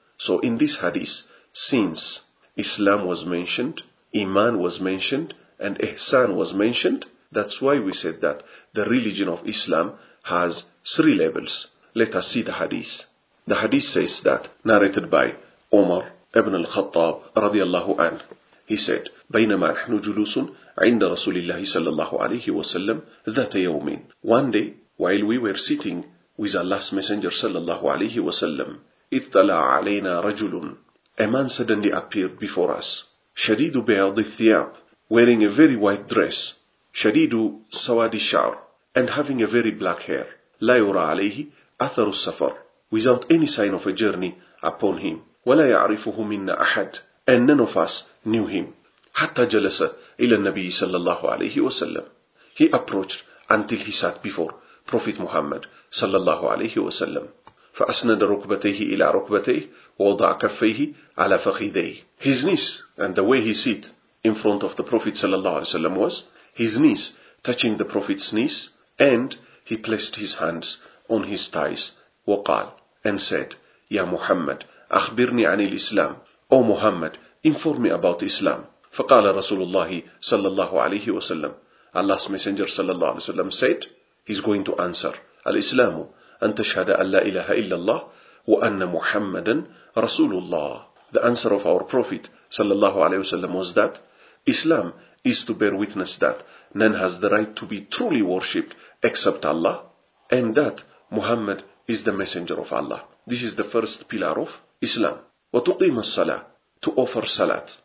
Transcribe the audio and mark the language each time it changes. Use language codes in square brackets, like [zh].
[en] So in this hadith, since Islam was mentioned, Iman was mentioned, and Ihsan was mentioned, that's why we said that the religion of Islam has three levels. Let us see the hadith. The hadith says that, narrated by Umar ibn al-Khattab radiallahu anhu. [ar] He said, بينما نحن جلوس عند رسول الله صلى الله عليه وسلم ذات يوم. [en] One day, while we were sitting with Allah's Messenger صلى الله عليه وسلم, [ar] اطلع علينا رجل. [en] A man suddenly appeared before us. [ar] شديد بياض الثياب, [en] wearing a very white dress. [ar] شديد سواد الشعر, [en] and having a very black hair. [ar] لا يرى عليه أثر السفر, [en] without any sign of a journey upon him. [ar] ولا يعرفه منا أحد. [en] And none of us knew him. [ar] حتى جلس إلى النبي صلى الله عليه وسلم. [en] He approached until he sat before Prophet Muhammad صلى الله عليه وسلم. [ar] فأسند ركبتيه إلى ركبتيه ووضع كفيه على فخذيه. [en] His knees and the way he sat in front of the Prophet صلى الله عليه وسلم was his knees touching the Prophet's knees, and he placed his hands on his thighs. [ar] وقال [en] and said, [ar] يا محمد أخبرني عن الإسلام. [en] O Muhammad, inform me about Islam. [ar] فقال رسول الله صلى الله عليه وسلم. [en] Allah's Messenger صلى الله عليه وسلم said, he's going to answer. [ar] الإسلام أن تشهد أن لا إله إلا الله وأن محمدا رسول الله. [en] The answer of our Prophet صلى الله عليه وسلم was that Islam is to bear witness that none has the right to be truly worshipped except Allah, and that Muhammad is the Messenger of Allah. This is the first pillar of Islam. [ar] وتقيم الصلاة, [en] to offer salat.